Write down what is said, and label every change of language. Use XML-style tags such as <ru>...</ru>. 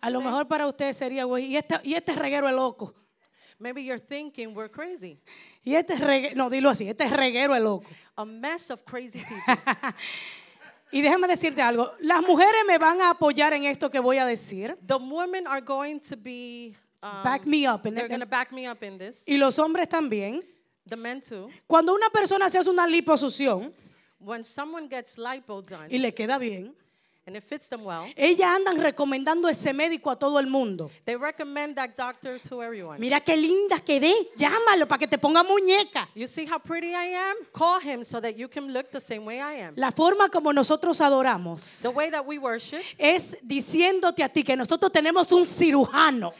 <es>a lo mejor para ustedes sería, y este reguero es loco.</es> <en>Maybe you're thinking we're crazy.</en> <es>Y este reguero, no, dilo así, este reguero es loco.</es> <en>A mess of crazy people.</en> <es>Y déjame decirte algo, las mujeres me van a apoyar en esto que voy a decir.</es> <en>The women are going to be back me up in this. They're going to back me up in this.</en> <es>Y los hombres también.</es> <en>The men too.</en> <es>Cuando una persona se hace una liposucción,</es> <en>when someone gets lipo done,</en> <es>y le queda bien,</es> <en>and it fits them well,</en> <es>ellas andan recomendando ese médico a todo el mundo.</es> <en>They recommend that doctor to everyone.</en> <es>Mira qué linda quedé, llámalo para que te ponga muñeca.</es> <en>You see how pretty I am? Call him so that you can look the same way I am.</en> <es>La forma como nosotros adoramos,</es> <en>the way that we worship,</en> <es>es diciéndote a ti que nosotros tenemos un cirujano.</es>